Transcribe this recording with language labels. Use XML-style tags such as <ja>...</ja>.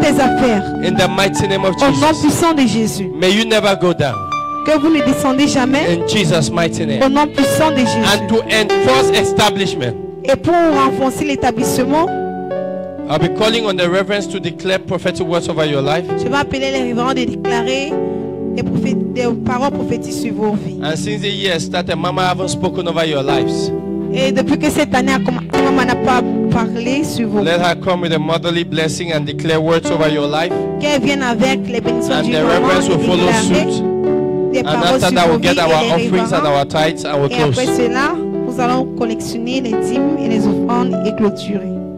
<en>In the mighty name of Jesus. May you never go down.</en> <fr>Que vous ne descendez jamais.</fr> <en>In Jesus' mighty name.</en> <fr>Au nom puissant de Jésus.</fr> <en>And to enforce establishment.</en> <fr>Et pour renforcer l'établissement.</fr> <en>I'll be calling on the reverence to declare prophetic words over your life.</en> <fr>Je vais appeler les révérends de déclarer des paroles prophétiques sur vos vies.</fr> <en>And since the year started, Mama haven't spoken over your lives.</en> <fr>Et depuis que cette année a commencé, Maman n'a pas parlé sur vos.</fr> <en>Let her come with a motherly blessing and declare words over your life.</en> <fr>Qu'elle vienne avec les bénédictions</fr> <en>and</en> <fr>du Maman.</fr> <en>And the reverence will follow suit. And after that, we'll get our offerings and our tithes and we'll close.</en> <fr>Et après cela, nous allons collectionner les dîmes et les offrandes et clôturer.</fr>